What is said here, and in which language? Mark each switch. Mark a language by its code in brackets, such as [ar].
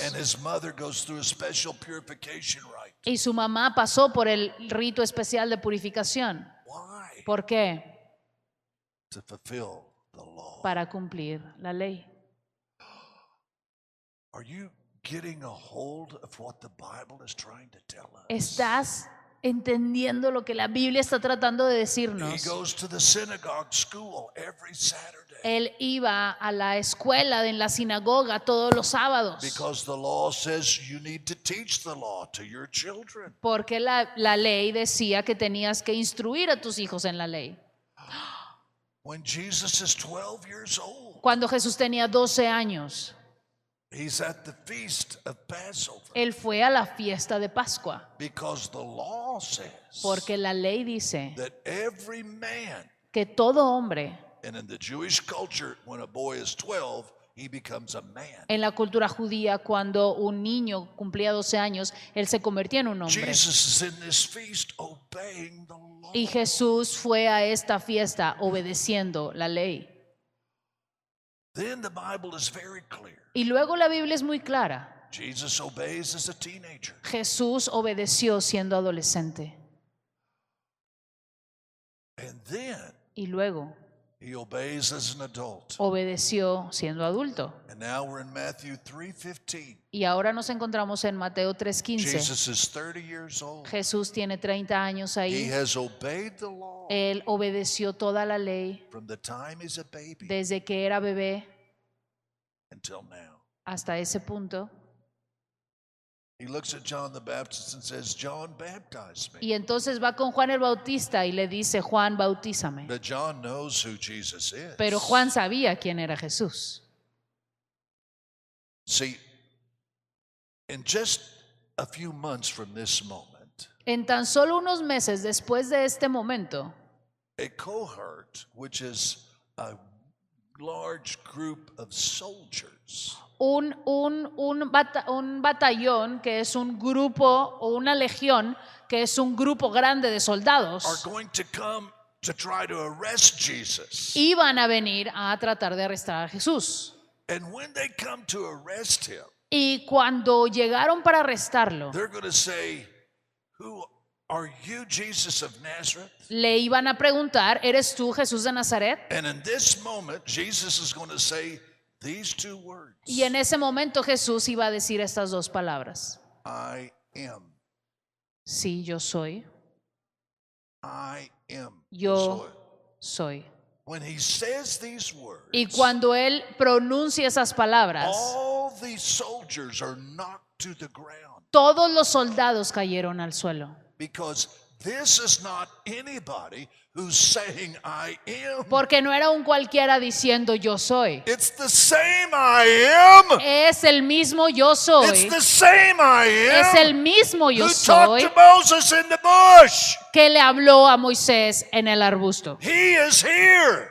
[en] And his mother goes through a special purification rite. [es] Y su mamá pasó por el rito especial de purificación. [en] Why? [es] ¿Por qué? [en] To fulfill the law. [es] Para cumplir la ley. [en] Are you getting a hold of what the Bible is trying to tell us? [es] ¿Estás entendiendo lo que la Biblia está tratando de decirnos? [en] He goes to the synagogue school every Saturday. [es] Él iba a la escuela en la sinagoga todos los sábados. [en] Because the law says you need to teach the law to your children. [es] Porque la ley decía que tenías que instruir a tus hijos en la ley. [en] When Jesus is 12 years old. [es] Cuando Jesús tenía 12 años. [en] He's at the feast of Passover. [es] Él fue a la fiesta de Pascua. [en] Because the law says. [es] Porque la ley dice. [en] That every man. [es] Que todo hombre. [en] And in the Jewish culture, when a boy is 12, he becomes a man. [es] En la cultura judía, cuando un niño cumplía 12 años, él se convertía en un hombre. [en] Jesus is in this feast obeying the law. [es] Y Jesús fue a esta fiesta obedeciendo la ley. [en] Then the Bible is very clear. [es] Y luego la Biblia es muy clara. [en] Jesus obeys as a teenager. [es] Jesús obedeció siendo adolescente. [en] And then, [es] y luego [en] he obeys as an adult. [es] Obedeció siendo adulto. [en] And now we're in Matthew 3:15. [es] Y ahora nos encontramos en Mateo 3:15. [en] Jesus is 30 years old. [es] Jesús tiene 30 años ahí. [en] He has obeyed the law. [es] Él obedeció toda la ley. [en] From the time he's a baby. [es] Desde que era bebé. [en] Until now. [es] Hasta ese punto. [en] He looks at John the Baptist and says, "John, baptize me." [es] Y entonces va con Juan el Bautista y le dice, "Juan, bautízame." [en] But John knows who Jesus is. [es] Pero Juan sabía quién era Jesús. [en] See, in just a few months from this moment, [es] en tan solo unos meses después de este momento, [en] a cohort, which is a large group of soldiers, [es] un batallón que es un grupo o una legión que es un grupo grande de soldados, [en] are going to come to try to arrest Jesus. [es] Iban a venir a tratar de arrestar a Jesús. [en] And when they come to arrest him, [es] y cuando llegaron para arrestarlo, [en] they're going to say, "Who are you, Jesus of Nazareth?" [es] Le iban a preguntar, "¿Eres tú Jesús de Nazaret?" [en] And in this moment, Jesus is going to say these two words. [es] Y en ese momento Jesús iba a decir estas dos palabras. [en] I am. [es] Sí, yo soy. [en] I am. [es] Yo soy. [en] When he says these words, [es] y cuando él pronuncia esas palabras, [en] all these soldiers are knocked to the ground. [es] Todos los soldados cayeron al suelo. [en] Because this is not anybody who's saying I am. [es] Porque no era un cualquiera diciendo yo soy. [en] It's the same I am. [es] Es el mismo yo soy. [en] It's the same I am. [es] Es el mismo yo [en] who [es] soy. [en] Talked to Moses in the bush. [es] Que le habló a Moisés en el arbusto. [en] He is here.